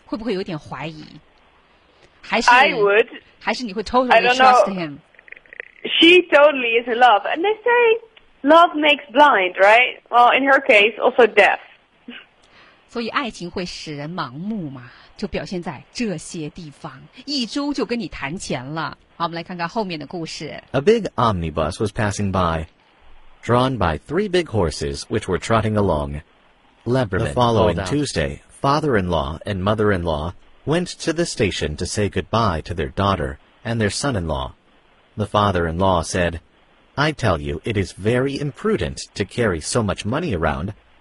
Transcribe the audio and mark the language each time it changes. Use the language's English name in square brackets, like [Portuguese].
[Chinese] 会不会有点怀疑？还是你会 [English] totally trust him？ She totally is in love, and they say love makes blind, right? Well, in her case, also deaf. [Chinese] 所以爱情会使人盲目嘛？就表现在这些地方，一周就跟你谈钱了。好，我们来看看后面的故事。 [English] A big omnibus was passing by, drawn by three big horses which were trotting along. Leverman, the following Tuesday, father-in-law and mother-in-law went to the station to say goodbye to their daughter and their son-in-law. The father-in-law said, I tell you, it is very imprudent to carry so much money around.